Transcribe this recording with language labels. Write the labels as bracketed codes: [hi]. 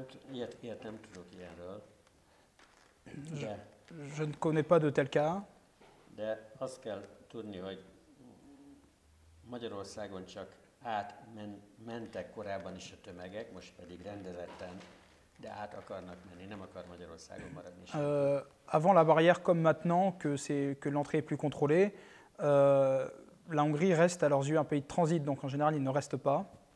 [hu] Ilyet nem tudok ilyenről. [fr] Je ne connais pas de tel cas. [hu] De azt kell tudni, hogy Magyarországon csak átmentek korábban is a tömegek, most pedig rendezetten. De át akarnak menni, nem akar Magyarországon maradni sem. [fr] Avant la barrière comme maintenant que l'entrée est plus contrôlée, la Hongrie reste à leurs yeux un pays de transit, donc en général ils ne restent pas.